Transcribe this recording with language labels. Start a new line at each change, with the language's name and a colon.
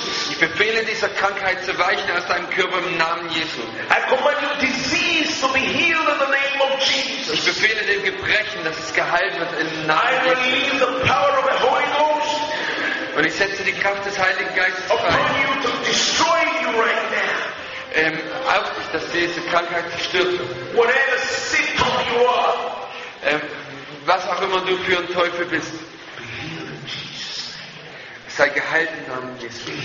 German: Ich befehle dieser Krankheit zu weichen aus deinem Körper im Namen Jesu.
English: I command you disease to be healed in the name of Jesus.
German: Ich befehle dem Gebrechen, dass es geheilt wird im Namen Jesu.
English: I release the power of the Holy Ghost.
German: Und ich setze die Kraft des Heiligen Geistes frei.
English: Upon you to destroy you right now.
German: Auf dich, dass diese Krankheit zerstört wird.
English: Whatever symptom you are.
German: Was auch immer du für ein Teufel bist.
English: Be healed in Jesus.
German: Sei geheilt im Namen Jesu.